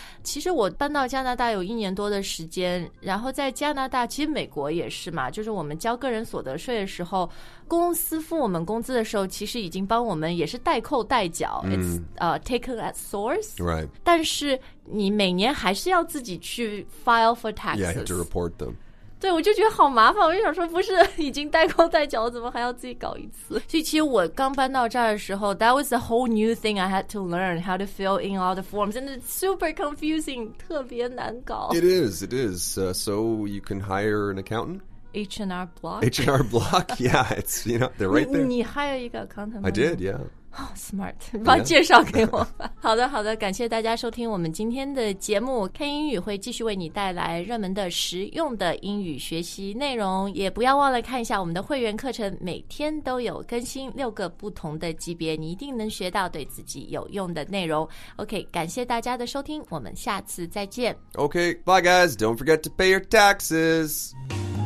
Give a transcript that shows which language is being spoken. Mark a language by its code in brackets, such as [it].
[zh] 其实我搬到加拿大有一年多的时间，然后在加拿大，其实美国也是嘛，就是我们交个人所得税的时候，公司付我们工资的时候，其实已经帮我们也是代扣代缴 [en] taken at source. Right. [zh] 但是你每年还是要自己去 [en] file for taxes. Yeah, you have to report them. [zh] 对，我就觉得好麻烦，我就想说，不是已经代扣代缴，我怎么还要自己搞一次？所以其实我刚搬到这儿的时候 [en] ，that was a whole new thing I had to learn how to fill in all the forms, and it's super confusing, [zh] 特别难搞。 [en] It is. So you can hire an accountant. H&R Block, yeah, it's, you know, they're right there. [zh] 你 hire 一个 accountant? [en] I did, yeah. Oh, smart. [zh] 帮介绍给我吧。好的，好的，感谢大家收听我们今天的节目。看英语会继续为你带来热门的实用的英语学习内容，也不要忘了看一下我们的会员课程，每天都有更新六个不同的级别，你一定能学到对自己有用的内容。 OK, 感谢大家的收听，我们下次再见。 [en] OK, bye guys, don't forget to pay your taxes.